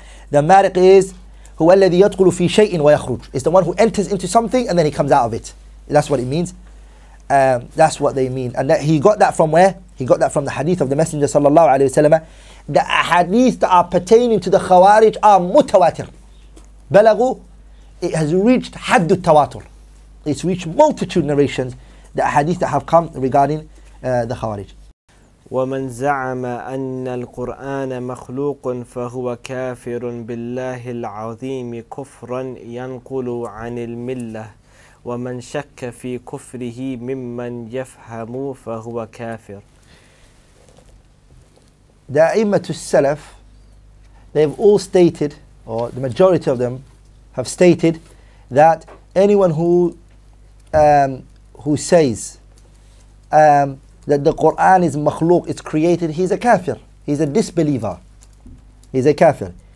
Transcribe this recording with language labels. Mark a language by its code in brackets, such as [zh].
[en] The mariq is, [ar] هو الذي يدخل في شيء ويخرج. [en] It's the one who enters into something and then he comes out of it. That's what it means. That's what they mean. And that he got that from where? He got that from the hadith of the Messenger sallallahu alaihi wasallam. The hadith that are pertaining to the Khawarij are mutawatir. [ar] بلغوا. [en] It has reached [ar] حد التواتر. [en] It's reached multitude narrations. The hadith that have come regarding the Khawarij. [ar] ومن زعم أن القرآن مخلوق فهو كافر بالله العظيم كفرا ينقل عن الملة ومن شك في كفره ممن يفهم فهو كافر. دائمة السلف, [en] they've all stated, or the majority of them have stated, that anyone who says that the Qur'an is makhluq, it's created, he's a kafir. He's a disbeliever. He's a kafir.